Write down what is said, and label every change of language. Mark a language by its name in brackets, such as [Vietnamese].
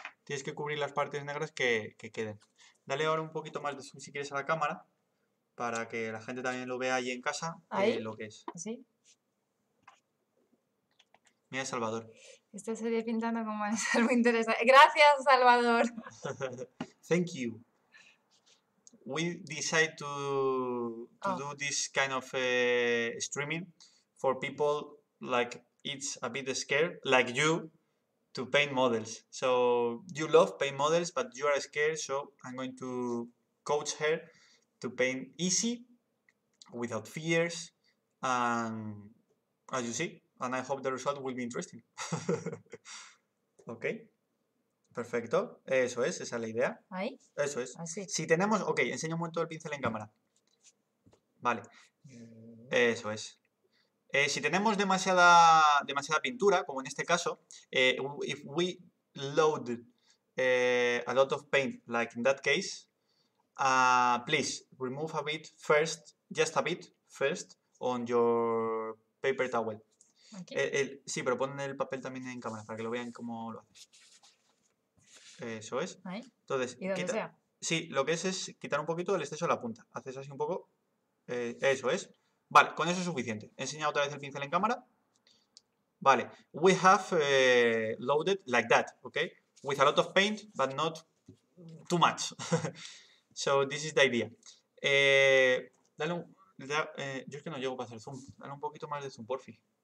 [Spanish] Tienes que cubrir las partes negras que queden. Dale ahora un poquito más de zoom, si quieres, a la cámara, para que la gente también lo vea ahí en casa, ¿ahí? Lo que es. ¿Sí? Mira, Salvador. Esto se ve pintando como es algo interesante. ¡Gracias, Salvador! [English] Thank you. We decide to do this kind of streaming for people like it's a bit scared, like you, to paint models. So you love paint models, but you are scared. So I'm going to coach her to paint easy, without fears, and as you see, and I hope the result will be interesting. Okay. [Spanish] Perfecto, eso es, esa es la idea. Ahí. Eso es. Así. Si tenemos, ok, enseño un momento el pincel en cámara. Vale, eso es. Si tenemos demasiada pintura, como en este caso, [English] if we load a lot of paint, like in that case, please remove a bit first, just a bit first, on your paper towel. [Spanish] Sí, pero pon el papel también en cámara para que lo vean cómo lo haces. Eso es. Ahí. Entonces, ¿y donde quita, sea? Sí, lo que es quitar un poquito el exceso de la punta. Haces así un poco. Eso es. Vale, con eso es suficiente. He enseñado otra vez el pincel en cámara. Vale. [English] We have loaded like that, okay? With a lot of paint, but not too much. So this is the idea. [Spanish] Dale un. Yo es que no llego para hacer zoom. Dale un poquito más de zoom, porfi.